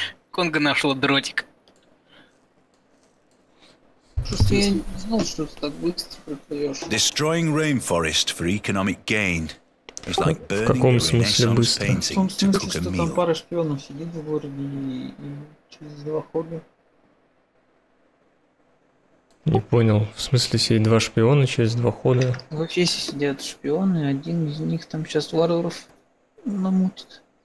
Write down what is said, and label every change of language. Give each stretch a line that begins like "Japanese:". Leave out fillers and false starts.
Russian: Конга нашла дротик. Просто я не знал, что ты так быстро проплывешь.
English: Destroying rainforest for economic gain. It's like burning.
Russian: В каком смысле быстро? В том смысле, что там пара шпионов сидит в городе и через два хода. Не понял. В смысле, сидит два шпиона через два хода? Вообще, если сидят шпионы, один из них там сейчас варваров намутит.